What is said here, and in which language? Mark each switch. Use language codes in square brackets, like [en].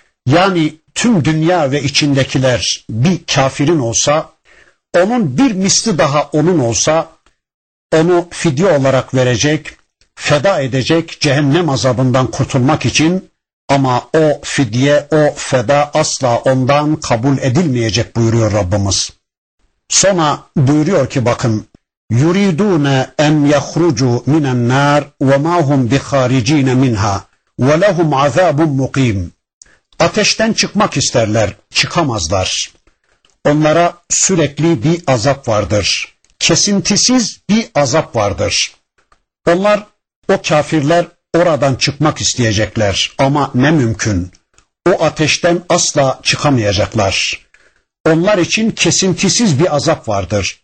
[tr] Yani tüm dünya ve içindekiler bir kafirin olsa, onun bir misli daha onun olsa, onu fidye olarak verecek, feda edecek cehennem azabından kurtulmak için, ama o fidye, o feda asla ondan kabul edilmeyecek buyuruyor Rabbimiz. Sonra buyuruyor ki bakın, [ar] يُرِيدُونَ اَنْ يَخْرُجُوا مِنَ النَّارِ وَمَا هُمْ بِخَارِج۪ينَ مِنْهَا وَلَهُمْ عَذَابٌ مُقِيمٌ. [tr] Ateşten çıkmak isterler, çıkamazlar. Onlara sürekli bir azap vardır. Kesintisiz bir azap vardır. Onlar, o kafirler oradan çıkmak isteyecekler ama ne mümkün. O ateşten asla çıkamayacaklar. Onlar için kesintisiz bir azap vardır.